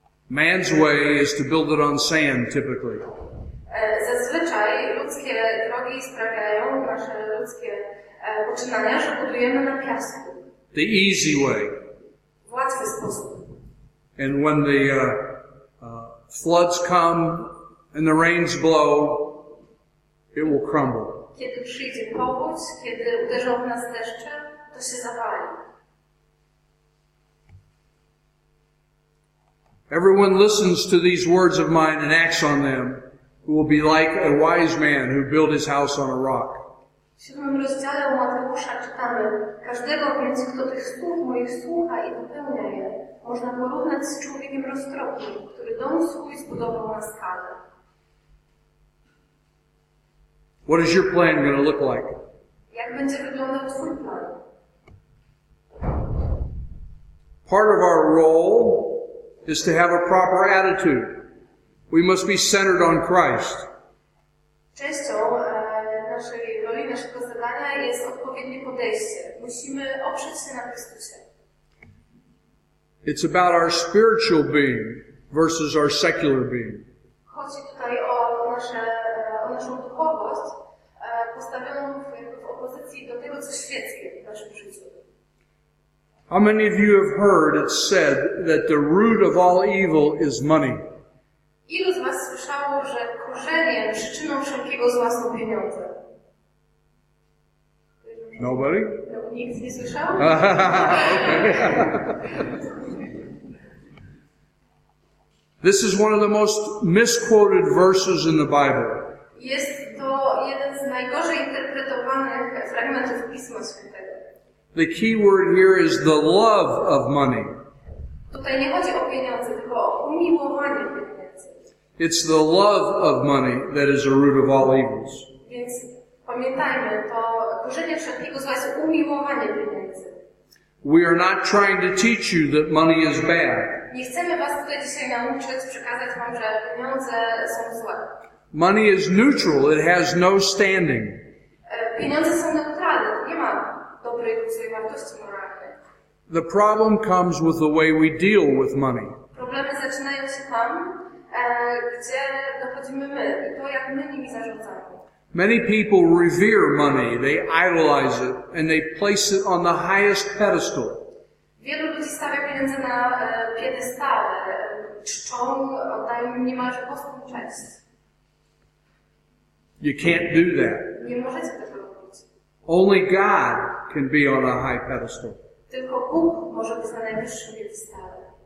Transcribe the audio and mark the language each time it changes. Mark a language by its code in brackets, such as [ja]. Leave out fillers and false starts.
[en] Man's way is to build it on sand, typically. [pl] Zazwyczaj ludzkie drogi sprawiają, nasze ludzkie poczynania, że budujemy na piasku. [en] The easy way. [pl] W łatwy sposób. [en] And when the floods come and the rains blow, it will crumble. [pl] Kiedy przyjdzie powódź, kiedy uderzą w nas deszcze, to się zawali. [en] Everyone listens to these words of mine and acts on them. Will be like a wise man who built his house on a rock. [pl] W 7 rozdziale u Mateusza czytamy, każdego więc, kto tych słów moich słucha i wypełnia je, można porównać z człowiekiem roztropnym, który dom swój zbudował na skalę. [en] What is your plan going to look like? [pl] Jak będzie wyglądał twój plan? [en] Part of our role is to have a proper attitude. We must be centered on Christ. [pl] Częścią naszej roli, naszego zadania jest odpowiednie podejście. Musimy oprzeć się na Chrystusie. [en] It's about our spiritual being versus our secular being. [pl] Chodzi tutaj o naszą duchowość postawioną w opozycji do tego, co świeckie w naszym życiu. [en] How many of you have heard it said that the root of all evil is money? [pl] Ilu z was słyszało, że korzeniem, przyczyną wszelkiego zła są pieniądze? [en] Nobody? [pl] No, nikt nie słyszał? [en] This is one of the most misquoted verses in the Bible. [pl] Jest to jeden z najgorzej interpretowanych fragmentów Pisma Świętego. [en] The key word here is the love of money. [pl] Tutaj nie chodzi o pieniądze, tylko o umiłowanie. [en] It's the love of money that is a root of all evils. [pl] Więc pamiętajmy, to korzenie wszelkiego zła jest umiłowanie pieniędzy. [en] We are not trying to teach you that money is bad. [pl] Nie chcemy was tutaj dzisiaj nauczyć, przekazać wam, że pieniądze są złe. [en] Money is neutral, it has no standing. [pl] Pieniądze są neutralne, nie ma dobrej lub złej wartości moralnej. [en] The problem comes with the way we deal with money. [pl] Problemy zaczynają się tam, gdzie dochodzimy my i to, jak my nimi zarządzamy. [en] Many people revere money, they idolize it, and they place it on the highest pedestal. [pl] Wielu ludzi stawia pieniądze na piedestale, czczą, oddają im niemalże boską cześć. [en] You can't do that. [pl] Nie możecie tego robić. [en] Only God can be on a high pedestal. [pl] Tylko Bóg może być na najwyższym piedestale.